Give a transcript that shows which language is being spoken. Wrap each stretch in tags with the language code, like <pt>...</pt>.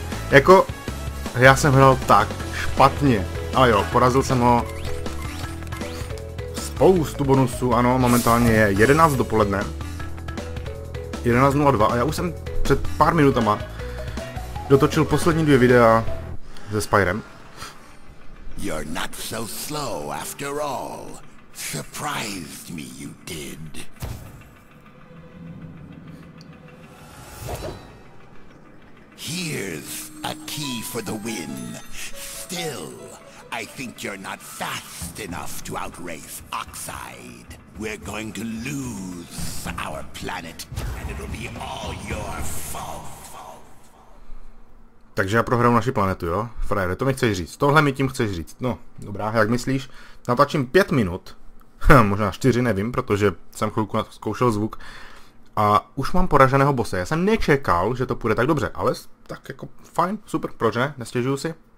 <cs>Jako, já jsem hrál tak špatně. Ale jo, porazil jsem ho. Spoustu bonusů, ano, momentálně je 11 dopoledne. 11.02 a já už jsem před pár minutama dotočil poslední dvě videa se Spyrem.</cs> <en>You're not so slow after all. Surprised me you did. Here's a key for the win. Still, I think you're not fast enough to outrace Oxide. We're going to lose our planet, and it'll be all your fault.</en> <cs>Takže já prohraju naši planetu, jo? Frajere, to mi chceš říct. Tohle mi tím chceš říct. No, dobrá, jak myslíš? Natačím 5 minut. Možná 4, nevím, protože jsem chvilku zkoušel zvuk. A už mám poraženého bossa. Já jsem nečekal, že to půjde tak dobře, ale tak jako fajn, super, proč ne, nestěžuju si.</cs>